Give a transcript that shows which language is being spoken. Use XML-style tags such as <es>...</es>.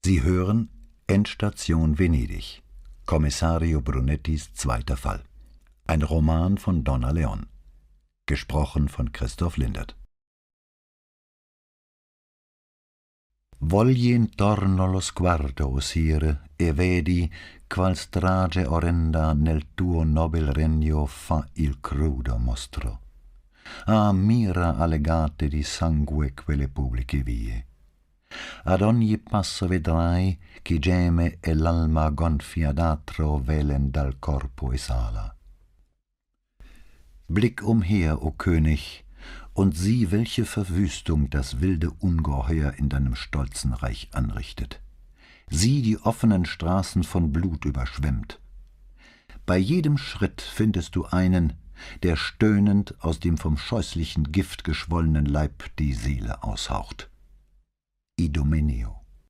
<de>Sie hören Endstation Venedig, Kommissario Brunettis zweiter Fall. Ein Roman von Donna Leon. Gesprochen von Christoph Lindert.</de> <it>Vogli intorno lo sguardo, o sire, e vedi qual strage orrenda nel tuo nobil regno fa il crudo mostro. Ah, mira allegate di sangue quelle pubbliche vie. Ad ogni passo vedrai che geme e l'alma gonfia d'atro velen dal corpo esala.</it> <de>Blick umher, o König, und sieh, welche Verwüstung das wilde Ungeheuer in deinem stolzen Reich anrichtet. Sieh die offenen Straßen von Blut überschwemmt. Bei jedem Schritt findest du einen, der stöhnend aus dem vom scheußlichen Gift geschwollenen Leib die Seele aushaucht. Idomeneo.</de>